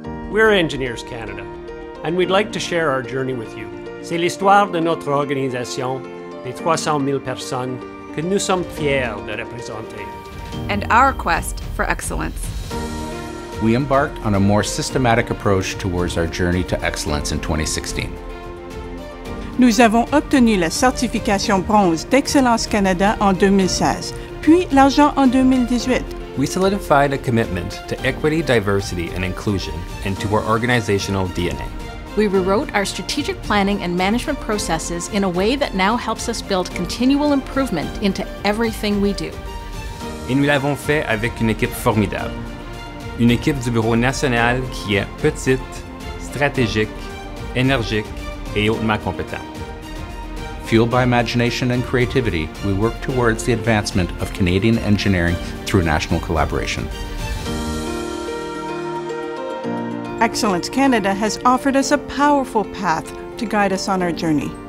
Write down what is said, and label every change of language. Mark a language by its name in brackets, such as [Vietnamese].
[English] We're Ingénieurs Canada, and we'd like to share our journey with you. [French] C'est l'histoire de notre organisation, des 300 000 personnes que nous sommes fiers de représenter. [English] And our quest for excellence. We embarked on a more systematic approach towards our journey to excellence in 2016. [French] Nous avons obtenu la certification bronze d'Excellence Canada en 2016, puis l'argent en 2018. [English] We solidified a commitment to equity, diversity, and inclusion into our organizational DNA. We rewrote our strategic planning and management processes in a way that now helps us build continual improvement into everything we do. [French] Et nous l'avons fait avec une équipe formidable. Une équipe du bureau national qui est petite, stratégique, énergique et hautement compétente. [English] Fueled by imagination and creativity, we work towards the advancement of Canadian engineering through national collaboration. Excellence Canada has offered us a powerful path to guide us on our journey.